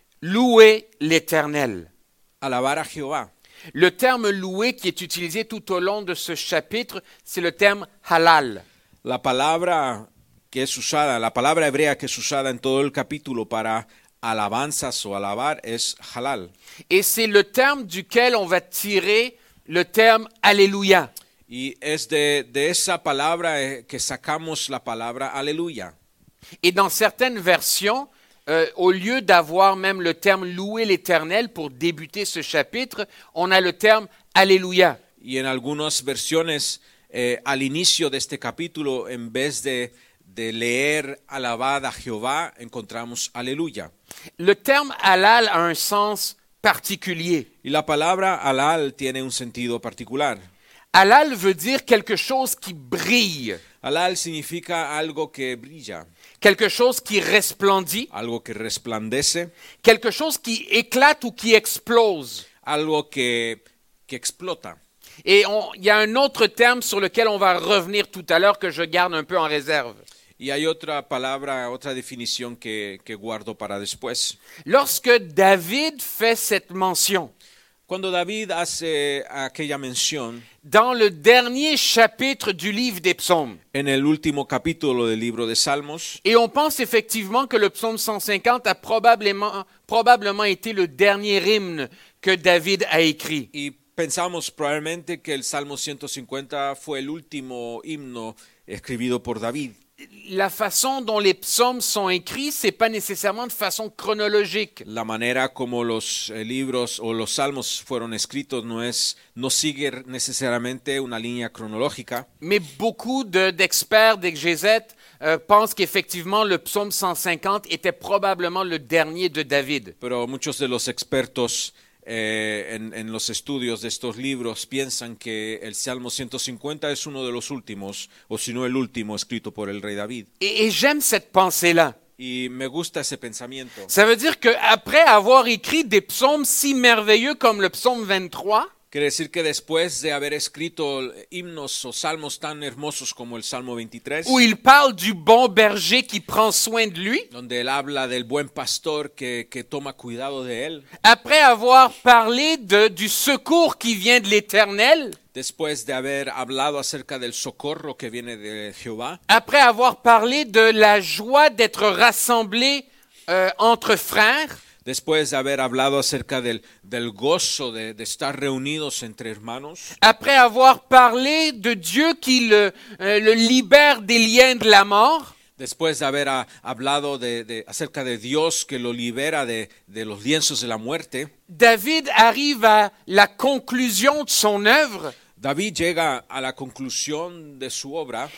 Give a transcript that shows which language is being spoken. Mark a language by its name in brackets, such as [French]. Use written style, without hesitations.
[French] Louer l'Éternel. [Spanish] Alabar a Jehová. [French] Le terme louer qui est utilisé tout au long de ce chapitre, c'est le terme halal. [Spanish] La palabra que es usada, la palabra hebrea que es usada en todo el capítulo para alabanzas o alabar es halal. [French] Et c'est le terme duquel on va tirer le terme alléluia. [Spanish] Y es de esa palabra que sacamos la palabra aleluya. [French] Et dans certaines versions, au lieu d'avoir même le terme louer l'Éternel pour débuter ce chapitre, on a le terme alléluia. [Spanish] Y en algunas versiones al inicio de este capítulo, en vez de leer alabad a Jehová, encontramos aleluya. [French] Le terme halal a un sens particulier. [Spanish] Y la palabra halal tiene un sentido particular. [French] Halal veut dire quelque chose qui brille. [Spanish] Halal significa algo que brilla. [French] Quelque chose qui resplendit. [Spanish] Algo que resplandece. [French] Quelque chose qui éclate ou qui explose. [Spanish] Algo que explota. [French] Et il y a un autre terme sur lequel on va revenir tout à l'heure que je garde un peu en réserve. [Spanish] Y hay otra palabra, otra definición que guardo para después. [French] Lorsque David fait cette mention. [Spanish] Cuando David hace aquella mención. [French] Dans le dernier chapitre du livre des psaumes. [Spanish] En el último capítulo del libro de Salmos. [French] Et on pense effectivement que le psaume 150 a probablement été le dernier hymne que David a écrit. [Spanish] Y pensamos probablemente que el Salmo 150 fue el último himno escrito por David. [French] La façon dont les psaumes sont écrits, c'est pas nécessairement de façon chronologique. [Spanish] La manera como los libros o los salmos fueron escritos no sigue necesariamente una línea cronológica. [French] Mais beaucoup d'experts d'exégètes pensent qu'effectivement le psaume 150 était probablement le dernier de David. [Spanish] Pero muchos de los expertos en los estudios de estos libros piensan que el Salmo 150 es uno de los últimos, o si no el último, escrito por el rey David. [French] Et j'aime cette pensée-là. [Spanish] Y me gusta ese pensamiento. [French] Ça veut dire que après avoir écrit des psaumes si merveilleux comme le psaume 23, [Spanish] quiere decir que después de haber escrito himnos o salmos tan hermosos como el Salmo 23, [French] où il parle du bon berger qui prend soin de lui, [Spanish] donde él habla del buen pastor que toma cuidado de él, [French] après avoir parlé du secours qui vient de l'Éternel, [Spanish] después de haber hablado acerca del socorro que viene de Jehová, [French] après avoir parlé de la joie d'être rassemblé entre frères, [Spanish] después de haber hablado acerca del gozo de estar reunidos entre hermanos. [French] Après avoir parlé de Dieu qui le libère des liens de la mort. [Spanish] Después de haber hablado de acerca de Dios que lo libera de los lienzos de la muerte. [French] David arrive à la conclusion de son œuvre. [Spanish] David llega a la conclusión de su obra.